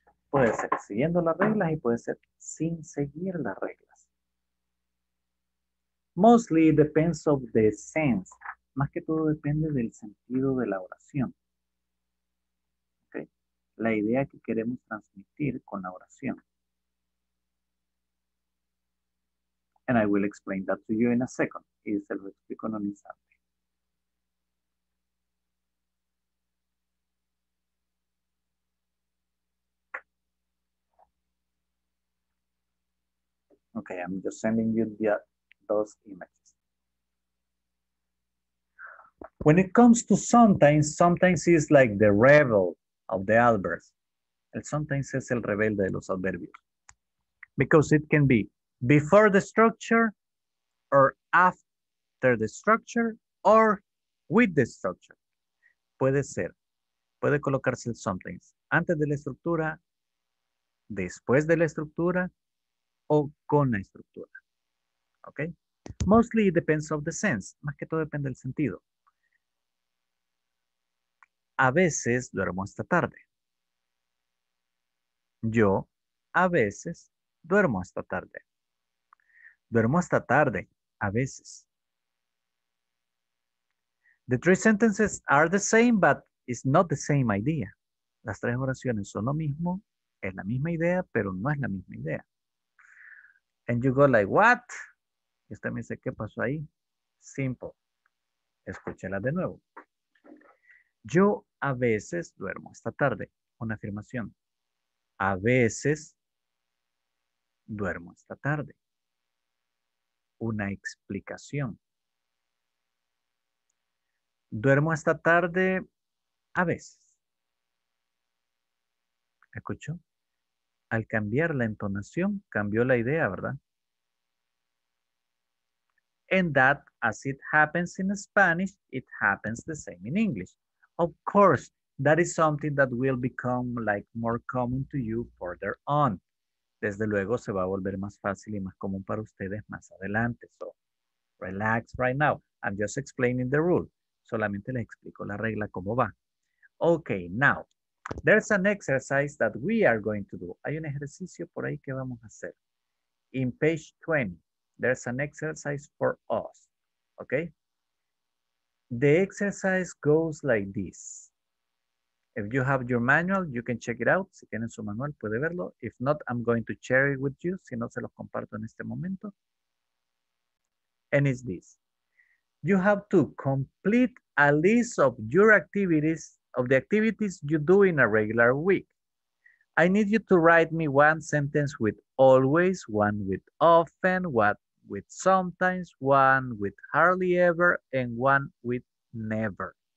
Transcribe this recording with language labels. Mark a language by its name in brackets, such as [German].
[Spanish] Puede ser siguiendo las reglas y puede ser sin seguir las reglas. [English] Mostly it depends of the sense. [Spanish] Más que todo depende del sentido de la oración. ¿Okay? La idea que queremos transmitir con la oración. And I will explain that to you in a second. Y se lo explico en un instante. [English] Okay, I'm just sending you those images. When it comes to sometimes is like the rebel of the adverbs. [Spanish] El sometimes es el rebelde de los adverbios. [English] Because it can be before the structure or after the structure or with the structure. [Spanish] Puede ser, puede colocarse el sometimes antes de la estructura, después de la estructura, o con la estructura. [English] Okay? Mostly it depends of the sense. [Spanish] Más que todo depende del sentido. A veces duermo hasta tarde. Yo a veces duermo hasta tarde. Duermo hasta tarde. A veces. [English] The three sentences are the same, but it's not the same idea. [Spanish] Las tres oraciones son lo mismo. Es la misma idea, pero no es la misma idea. [English] And you go like, what? [Spanish] Y usted me dice, ¿qué pasó ahí? Simple. Escúchela de nuevo. Yo a veces duermo esta tarde. Una afirmación. A veces duermo esta tarde. Una explicación. Duermo esta tarde a veces. ¿Escuchó? Al cambiar la entonación, cambió la idea, ¿verdad? [English] And that, as it happens in Spanish, it happens the same in English. Of course, that is something that will become like more common to you further on. [Spanish] Desde luego, se va a volver más fácil y más común para ustedes más adelante. [English] So, relax right now. I'm just explaining the rule. [Spanish] Solamente les explico la regla cómo va. [English] Okay, now, there's an exercise that we are going to do. [Spanish] Hay un ejercicio por ahí que vamos a hacer. [English] In page 20. There's an exercise for us, okay? The exercise goes like this. If you have your manual, you can check it out. [Spanish] Si tienen su manual, puede verlo. [English] If not, I'm going to share it with you. [Spanish] Si no, se los comparto en este momento. [English] And it's this. You have to complete a list of your activities, of the activities you do in a regular week. I need you to write me one sentence with always, one with often, what with sometimes, one with hardly ever, and one with never.